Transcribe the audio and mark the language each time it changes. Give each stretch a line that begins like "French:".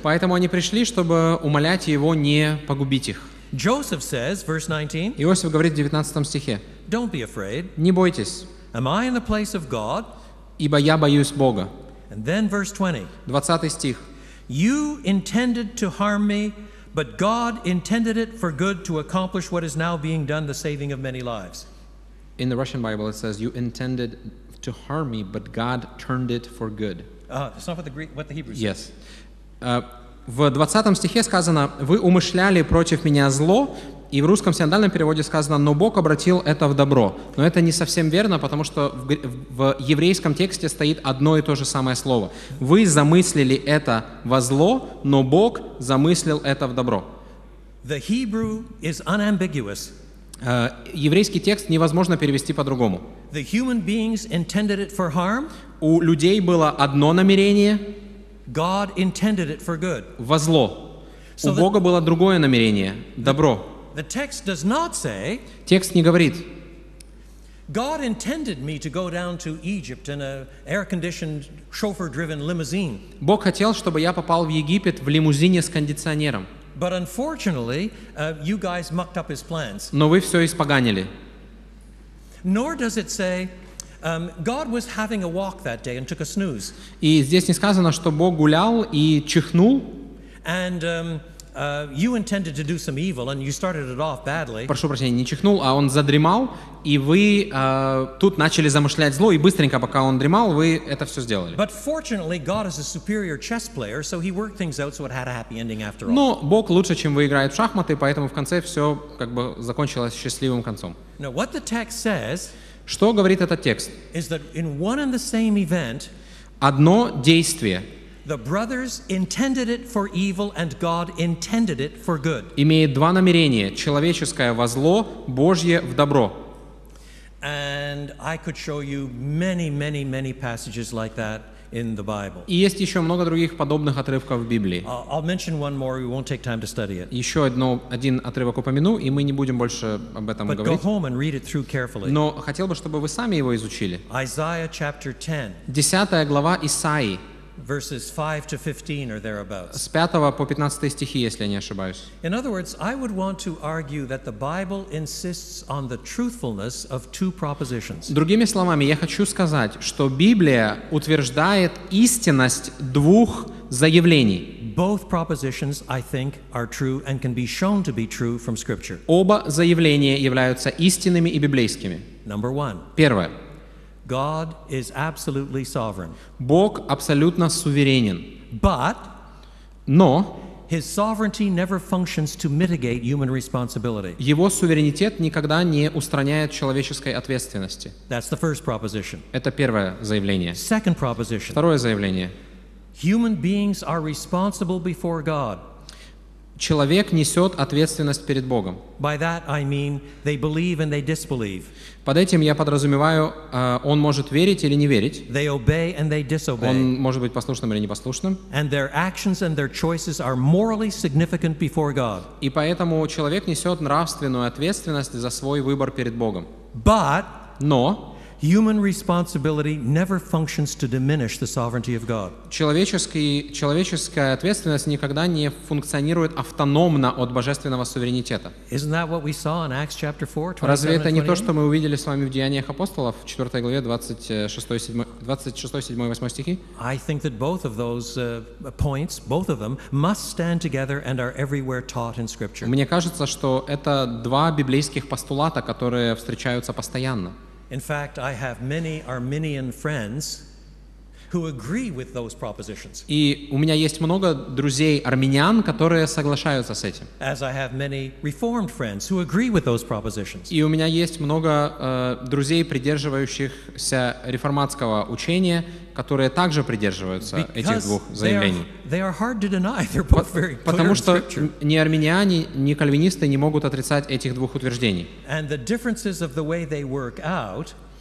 Russian: Поэтому они пришли, чтобы умолять его не погубить их.
English: Joseph says, verse 19.
Russian: Иосиф говорит в 19 стихе.
English: Don't be afraid.
Russian: Не бойтесь.
English: Am I in the place of God?
Russian: Ибо я боюсь Бога.
English: And then verse 20.
Russian: 20 стих.
English: You intended to harm me, but God intended it for good to accomplish what is now being done, the saving of many lives. In the Russian Bible, it says, "You intended." To harm me, but God turned it for good. It's not what the Greek, what the Hebrew says. Yes.
Russian: В 20 стихе сказано, вы умышляли против меня зло, и в русском синодальном переводе сказано, но Бог обратил это в добро. Но это не совсем верно, потому что в еврейском тексте стоит одно и то же самое слово. Вы замыслили это во зло, но Бог замыслил это в добро.
English: The Hebrew is unambiguous.
Russian: Еврейский текст невозможно перевести по-другому.
English: The human beings intended it for harm.
Russian: У людей было одно намерение.
English: God intended it for good.
Russian: Во зло. У Бога было другое намерение. Добро.
English: The text does not say.
Russian: Текст не говорит.
English: God intended me to go down to Egypt in an air-conditioned, chauffeur-driven limousine.
Russian: Бог хотел, чтобы я попал в Египет в лимузине с кондиционером.
English: But unfortunately, you guys mucked up his plans.
Russian: Но вы все испоганили.
English: Nor does it say God was having a walk that day and took a snooze.
Russian: И здесь не сказано, что Бог гулял и чихнул.
English: And you intended to do some evil and you started it off badly.
Russian: Прошу прощения, не чихнул, а он задремал, и вы тут начали замышлять зло, и быстренько, пока он дремал, вы это все сделали.
English: But fortunately, God is a superior chess player, so he worked things out so it had a happy ending after all.
Russian: Но Бог лучше, чем вы, играет в шахматы, поэтому в конце все как бы закончилось счастливым концом.
English: Now, what the text says,
Russian: что говорит этот текст?
English: Is that in one and the same event,
Russian: одно действие,
English: the brothers intended it for evil, and God intended it for good.
Russian: Имеет два намерения: человеческое во зло, Божье в добро.
English: And I could show you many, many, many passages like that in the Bible.
Russian: И есть еще много других подобных отрывков в Библии.
English: I'll mention one more. We won't take time to study it.
Russian: Еще одно один отрывок упомяну, и мы не будем больше об этом
English: But
Russian: говорить.
English: But go home and read it through carefully.
Russian: Но хотел бы, чтобы вы сами его изучили.
English: Isaiah chapter 10.
Russian: Десятая глава Исаии.
English: Verses 5 to 15 or thereabouts.
Russian: С 5 по 15 стихи, если я не ошибаюсь.
English: In other words, I would want to argue that the Bible insists on the truthfulness of two propositions.
Russian: Другими словами, я хочу сказать, что Библия утверждает истинность двух заявлений.
English: Both propositions, I think, are true and can be shown to be true from Scripture.
Russian: Оба заявления являются истинными и библейскими.
English: Number one.
Russian: Первое.
English: God is absolutely sovereign.
Russian: Бог абсолютно суверенен.
English: But,
Russian: но,
English: his sovereignty never functions to mitigate human responsibility.
Russian: Его суверенитет никогда не устраняет человеческой ответственности.
English: That's the first proposition.
Russian: Это первое заявление.
English: Second proposition.
Russian: Второе заявление.
English: Human beings are responsible before God.
Russian: Человек несет ответственность перед Богом.
English: By that I mean they believe and they disbelieve.
Russian: Под этим я подразумеваю, он может верить или не верить.
English: They obey and they disobey.
Russian: Он может быть послушным или непослушным.
English: And their actions and their choices are morally significant before God.
Russian: И поэтому человек несет нравственную ответственность за свой выбор перед Богом.
English: But,
Russian: но,
English: human responsibility never functions to diminish the sovereignty of God.
Russian: Человеческая ответственность никогда не функционирует автономно от божественного суверенитета.
English: Isn't that what we saw in Acts chapter 4, 27?
Russian: Разве это не то, что мы увидели с вами в Деяниях апостолов, 4 главе, 26-28 стихи?
English: I think that both of those points, both of them, must stand together and are everywhere taught in Scripture.
Russian: Мне кажется, что это два библейских постулата, которые встречаются постоянно.
English: In fact, I have many Arminian friends who agree with those propositions.
Russian: И у меня есть много друзей армянин, которые соглашаются с этим.
English: As I have many Reformed friends who agree with those propositions.
Russian: И у меня есть много друзей, придерживающихся реформатского учения, которые также придерживаются этих двух заявлений.
English: They are hard to deny. They're both very clear.
Russian: Потому что ни армяне, ни кальвинисты не могут отрицать этих двух утверждений.
English: And the differences of the way they work out.